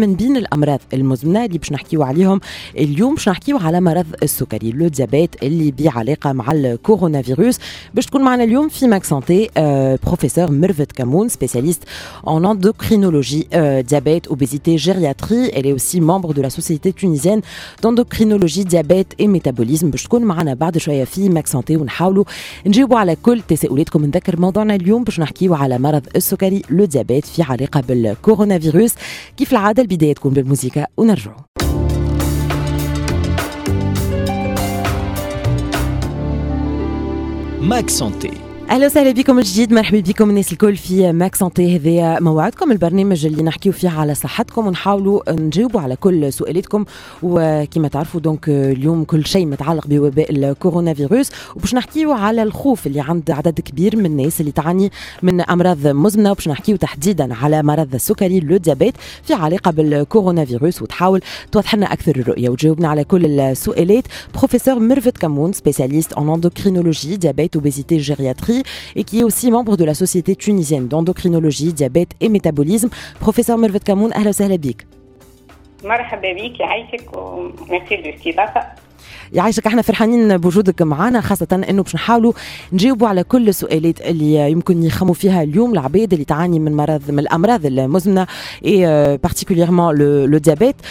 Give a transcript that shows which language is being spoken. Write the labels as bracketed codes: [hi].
[ar] من بين الأمراض المزمنة اللي باش نحكيو عليهم اليوم باش نحكيو على مرض السكري لو ديابيت اللي بعلاقة مع الكورونا فيروس. باش تكون معنا اليوم في ماك سانتي بروفيسور ميرفت كامون، [fr] سبيسياليست اون اندوكرينولوجي ديابيت اوبيزيتي جيرياتري. Elle est aussi membre de la société tunisienne d'endocrinologie diabète et métabolisme. [ar] باش تكون معنا بعد شوية في ماك سانتي ونحاولوا نجيبوا على كل تساؤلاتكم. نذكر موضوعنا اليوم باش نحكيو على مرض السكري لو ديابيت في علاقة بالكورونا فيروس. كيف العادة البداية تكون بالموسيقى ونرجع. ماك سانتي. اهلا وسهلا بكم الجديد، مرحبا بكم الناس الكل في ماك سانتي. هذا موعدكم، البرنامج اللي نحكيو فيه على صحتكم ونحاولوا نجاوبوا على كل سؤالاتكم. وكما تعرفوا دونك اليوم كل شيء متعلق بوباء الكورونا فيروس، وباش نحكيو على الخوف اللي عند عدد كبير من الناس اللي تعاني من امراض مزمنه، وباش نحكيو تحديدا على مرض السكري لو ديابيت في علاقه بالكورونا فيروس، وتحاول توضح لنا اكثر الرؤيه وتجاوبنا على كل السؤالات. [fr] بروفيسور ميرفت كامون، سبيسياليست اون اندوكرينولوجي ديابيت اوبيزيتي جيرياتري، et qui est aussi membre de la Société tunisienne d'endocrinologie, diabète et métabolisme. [ar] Professeur Mervet Kamoun, ahla wa sahla bik. مرحبا بك، يعيشك ومرسي للاستضافه. يعيشك، احنا فرحانين بوجودك معنا، خاصة انه باش نحاولوا نجاوبوا على كل السؤالات اللي يمكن يخموا فيها اليوم العبيد اللي تعاني من مرض من الامراض المزمنه [fr] اي بارتيكوليرمون لو ديابيت.